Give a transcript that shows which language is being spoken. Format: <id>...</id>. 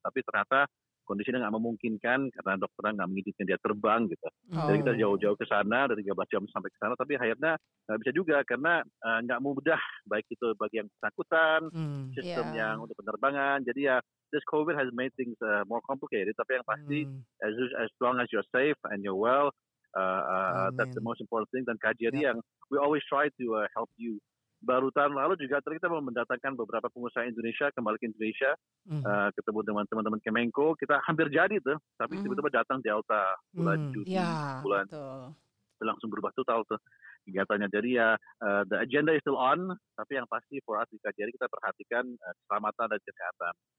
<id>Tapi ternyata kondisinya nggak memungkinkan karena dokternya nggak mengizinkan dia terbang gitu. Jadi kita jauh-jauh ke sana, dari 13 jam sampai ke sana, tapi akhirnya nggak bisa juga karena nggak mudah, baik itu bagi yang bersangkutan, sistem yang untuk penerbangan. Jadi ya</id> <en>this COVID has made things more complicated.</en> <id>Tapi yang pasti,</id> <en>as long as you're safe and you're well, that's the most important thing.</en> <id>Dan kajian yang</id> <en>we always try to help you.</en> <id>Baru tahun lalu juga kita mendatangkan beberapa pengusaha Indonesia kembali ke Indonesia, ketemu dengan teman-teman Kemenko. Kita hampir jadi tuh, tapi tiba-tiba datang Delta bulan Juni, bulan itu langsung berubah total tuh. Kegiatannya jadi ya,</id> <en>the agenda is still on,</en> <id>tapi yang pasti</id> <en>for us</en> <id>di KJRI kita perhatikan keselamatan dan kesehatan.</id>